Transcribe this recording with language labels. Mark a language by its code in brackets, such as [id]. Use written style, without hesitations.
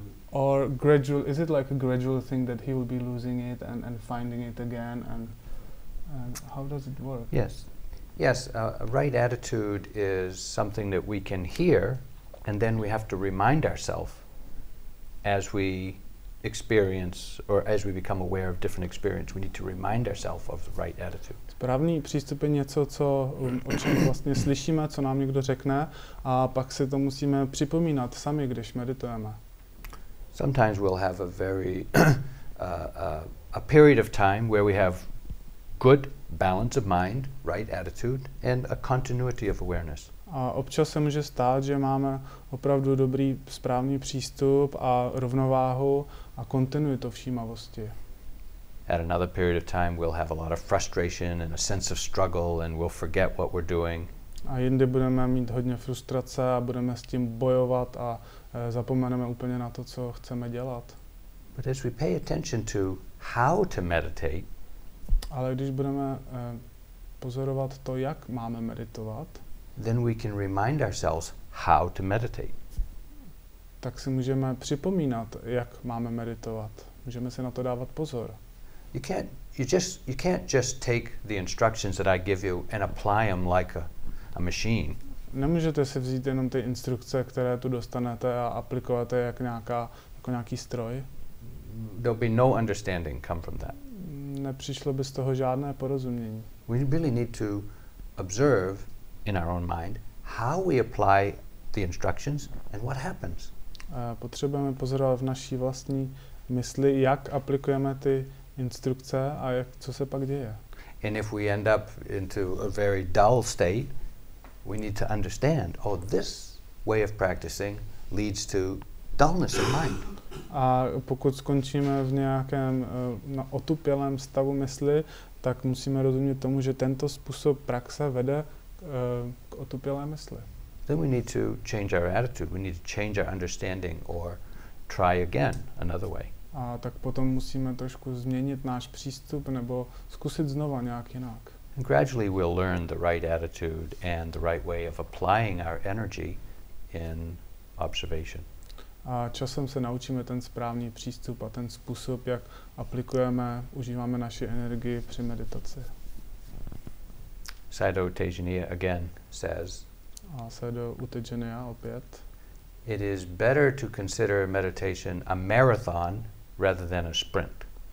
[en] Or gradual, is it like a gradual thing that he will be losing it and finding it again, and how does it work? Yes. Yes, right attitude is something that we can hear, and then we have to remind ourselves as we experience or as we become aware of different experience. We need to remind ourselves of the right attitude. [cs] Správný přístup je něco, o čem vlastně slyšíme, co nám někdo řekne, a pak si to musíme připomínat sami, když meditujeme. [en] Sometimes we'll have a very a period of time where we have good balance of mind, right attitude, and a continuity of awareness. [cs] A občas se může stát, že máme opravdu dobrý správný přístup a rovnováhu a kontinuitu všímavosti. [en] At another period of time we'll have a lot of frustration and a sense of struggle and we'll forget what we're doing. [cs] A jindy budeme mít hodně frustrace a budeme s tím bojovat a zapomeneme úplně na to, co chceme dělat. [en] But as we pay attention to how to meditate, [cs] ale když budeme pozorovat to, jak máme meditovat, [en] then we can remind ourselves how to meditate. [cs] Tak si můžeme připomínat, jak máme meditovat. Můžeme si na to dávat pozor. [en] You can't just take the instructions that I give you and apply them like a machine. [cs] Nemůžete si vzít jenom ty instrukce, které tu dostanete a aplikovat je jako nějaký stroj. [en] There'll be no understanding come from that. [cs] Nepřišlo by z toho žádné porozumění. [en] We really need to observe in our own mind how we apply the instructions and what happens. [cs] Potřebujeme pozorovat v naší vlastní mysli, jak aplikujeme ty instrukce a jak, co se pak děje. [en] And if we end up into a very dull state, we need to understand, oh, this way of practicing leads to dullness of mind. [cs] A pokud skončíme v nějakém otupělém stavu mysli, tak musíme rozumět tomu, že tento způsob praxe vede k otupělé mysli. [en] Then we need to change our attitude, we need to change our understanding or try again another way. [cs] A tak potom musíme trošku změnit náš přístup nebo zkusit znova nějak jinak. [en] And gradually we'll learn the right attitude and the right way of applying our energy in observation. [cs] A časem se naučíme ten správný přístup a ten způsob, jak aplikujeme, užíváme naši energii při meditaci. [en] Sado Utejaniya again says, [cs] a Sado Utejaniya opět, [en] it is better to consider meditation a marathon rather than a sprint.